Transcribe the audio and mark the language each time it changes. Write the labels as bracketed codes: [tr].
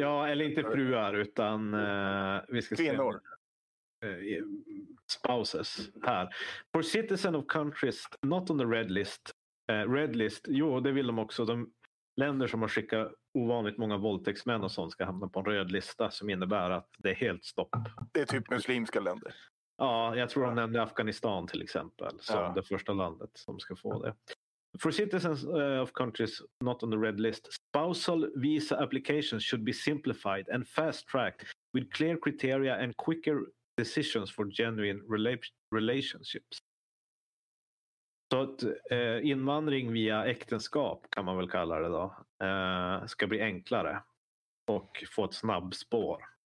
[sv] Ja, eller inte fruar, utan vi ska kvinnor. Se. Spouses här. [en] For citizen of countries not on the red list. [sv] Red list, jo, det vill de också. De länder som har skickat ovanligt många våldtäktsmän och sånt ska hamna på en röd lista, som innebär att det är helt stopp. Det är typ muslimska länder. Ja, jag tror de nämnde Afghanistan till exempel som det första landet som ska få det. [en] For citizens of countries not on the red list, spousal visa applications should be simplified and fast-tracked with clear criteria and quicker decisions for genuine relationships. [sv] Så att invandring via äktenskap, kan man väl kalla det då, ska bli enklare och få ett snabbspår.